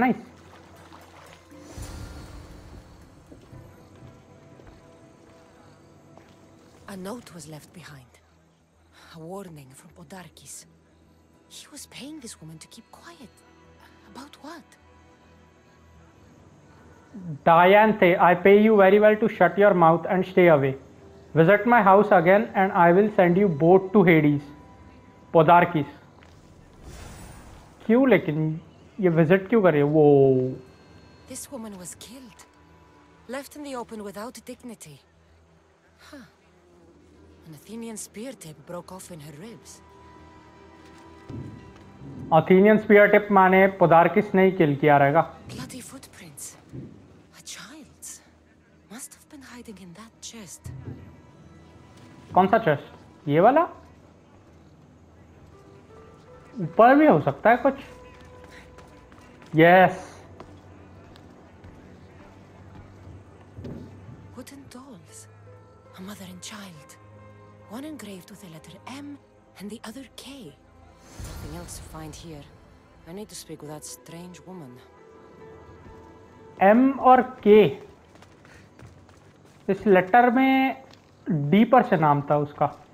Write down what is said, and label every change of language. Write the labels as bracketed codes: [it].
[en] Nice. A note was left behind, a warning from Podarkis. He was paying this woman to keep quiet. About what? Dianthe, I pay you very well to shut your mouth and stay away. Visit my house again and I will send you boat to Hades. [hi] Podarkis. Kyu lekin ye visit kyu kar rahe ho? [en] This woman was killed. Left in the open without dignity. An Athenian spear tip broke off in her ribs. Athenian spear tip [hi] माने पोदार्किस ने ही किल किया रहेगा। [en] Bloody footprints. A child must have been hiding in that chest. [hi] कौन सा chest? ये वाला? ऊपर भी हो सकता है कुछ? [en] Yes. Wooden dolls. A mother and child. One engraved with the letter M and the other K. Nothing else to find here. I need to speak with that strange woman. M or K? [hi] इस letter में D पर से नाम था उसका।